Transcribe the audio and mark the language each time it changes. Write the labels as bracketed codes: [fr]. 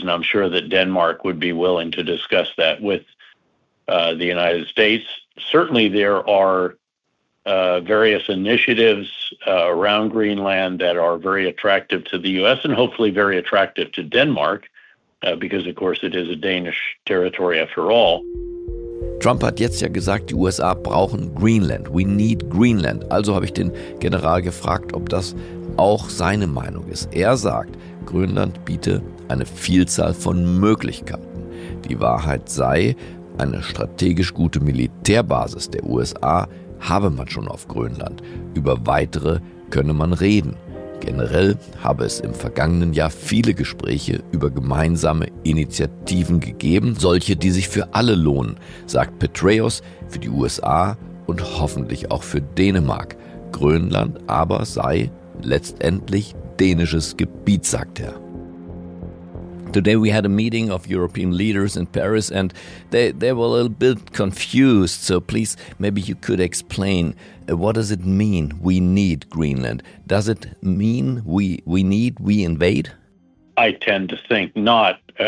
[en] And I'm sure that Denmark would be willing to discuss that with the United States. Certainly there are various initiatives around Greenland that are very attractive to the U.S. and hopefully very attractive to Denmark, because of course it is a Danish territory after all. [de] Trump hat jetzt ja gesagt, die USA brauchen Greenland. [en] We need Greenland. [de] Also habe ich den General gefragt, ob das auch seine Meinung ist. Er sagt, Grönland biete eine Vielzahl von Möglichkeiten. Die Wahrheit sei, eine strategisch gute Militärbasis der USA habe man schon auf Grönland. Über weitere könne man reden. Generell habe es im vergangenen Jahr viele Gespräche über gemeinsame Initiativen gegeben, solche, die sich für alle lohnen, sagt Petraeus, für die USA und hoffentlich auch für Dänemark. Grönland aber sei letztendlich dänisches Gebiet, sagt er. [en] Today we had a meeting of European leaders in Paris and they were a little bit confused. So please, maybe you could explain, what does it mean we need Greenland? Does it mean we invade? I tend to think not.